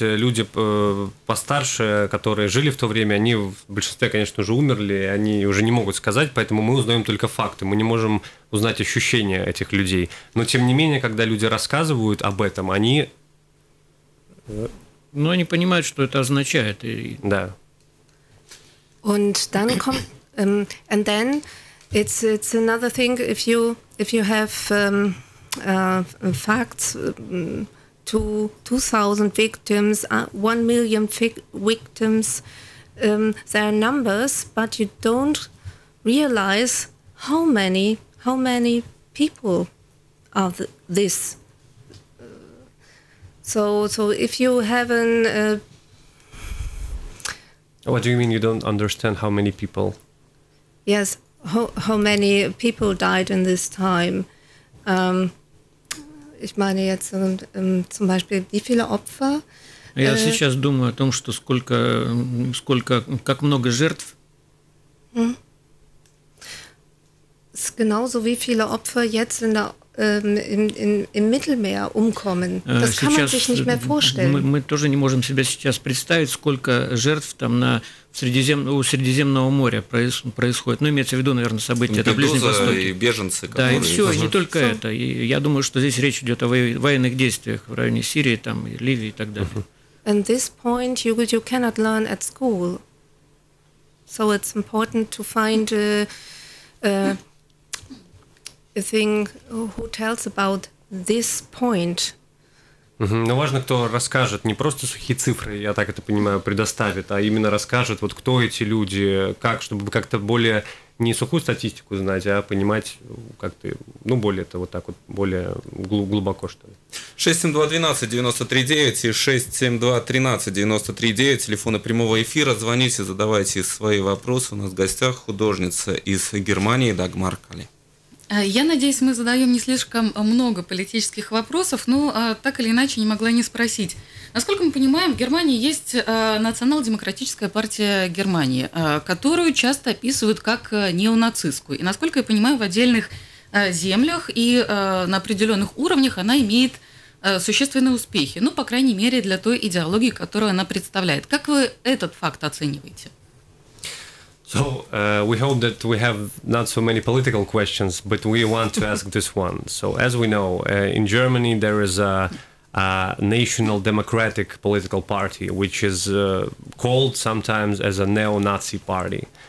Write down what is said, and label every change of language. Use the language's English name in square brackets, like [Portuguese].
[Russian] Люди постарше, которые жили в то время, они в большинстве, конечно же, умерли, и они уже не могут сказать, поэтому мы узнаем только факты. Мы не можем узнать ощущения этих людей. Но, тем не менее, когда люди рассказывают об этом, они... Ну, они понимают, что это означает. И... Да. [English] And then, it's another thing, if you have... facts to 2,000 victims, 1 million victims, there are numbers, but you don't realize how many people are this. So if you have an... What do you mean you don't understand how many people? Yes, how many people died in this time. [German] Ich meine jetzt zum Beispiel, wie viele Opfer? [Russian] Я сейчас думаю о том, что как много жертв. [German] Es genauso wie viele Opfer jetzt in der im Mittelmeer umkommen. Das kann man sich nicht mehr vorstellen. [Russian] Мы тоже не можем себе сейчас представить, сколько жертв там у Средиземного моря происходит. Ну, имеется в виду, наверное, события на Ближнем Востоке. И беженцы. Да, и все, не только это. И я думаю, что здесь речь идет о военных действиях в районе Сирии, там, и Ливии и так далее. [English] And this point you cannot learn at school. So it's important to find a thing who tells about this point. [Russian] Ну, важно, кто расскажет, не просто сухие цифры, я так это понимаю, предоставит, а именно расскажет, вот кто эти люди, как, чтобы как-то более не сухую статистику знать, а понимать как-то, ну, более-то вот так вот, более глубоко, что ли. 672-12-93-9 и 672-13-93-9, телефоны прямого эфира, звоните, задавайте свои вопросы. У нас в гостях художница из Германии Дагмар Калайс. Я надеюсь, мы задаем не слишком много политических вопросов, но так или иначе не могла не спросить. Насколько мы понимаем, в Германии есть национал-демократическая партия Германии, которую часто описывают как неонацистскую. И насколько я понимаю, в отдельных землях и на определенных уровнях она имеет существенные успехи. Ну, по крайней мере, для той идеологии, которую она представляет. Как вы этот факт оцениваете? [English] So we hope that we have not so many political questions, but we want to ask this one. So as we know, in Germany there is a national democratic political party, which is called sometimes as a neo-Nazi party.